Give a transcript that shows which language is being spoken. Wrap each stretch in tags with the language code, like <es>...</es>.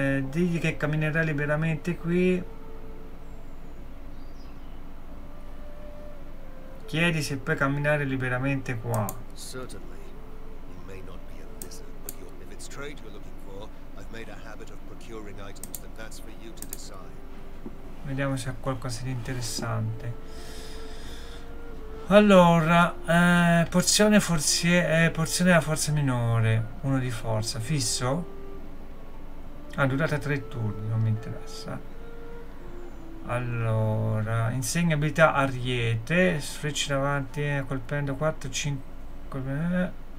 <it>Digli che camminerà liberamente qui. Chiedi se puoi camminare liberamente qua.</it> <en>Certainly. You may not be a lizard, but if it's trade you're looking for, I've made a habit of procuring items and that's for you to decide.</en> <it>Vediamo se ha qualcosa di interessante. Allora, porzione forzie, porzione della forza minore, uno di forza, fisso? Ah, durata 3 turni, non mi interessa. Allora, insegna abilità ariete, frecce davanti, colpendo 4-5.</it>